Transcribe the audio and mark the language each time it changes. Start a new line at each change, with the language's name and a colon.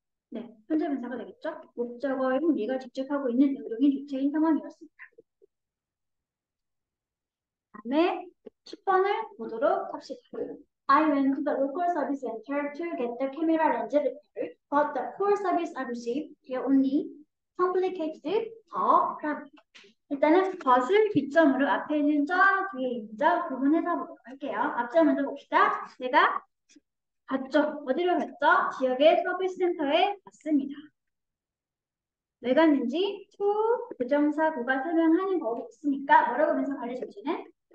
Korean: 네, 현재 분사가 되겠죠? 목적어인 우리가 직접 하고 있는 능동이 주체인 상황이었습니다. 다음에 10번을 보도록 합시다.
English: I went to the local service center to get the camera lens repaired, but the poor service I received here only complicated the problem.
Korean: 일단은 but을 기점으로 앞에 있는 저 뒤에 있는 저 구분해서 보도록 할게요. 앞자 먼저 봅시다. 제가 갔죠. 어디로 갔죠? 지역의 서비스 센터에 갔습니다. 왜 갔는지 to 부정사구가 설명하는 법이 있으니까 뭐라고 하면서 가르쳐주시는?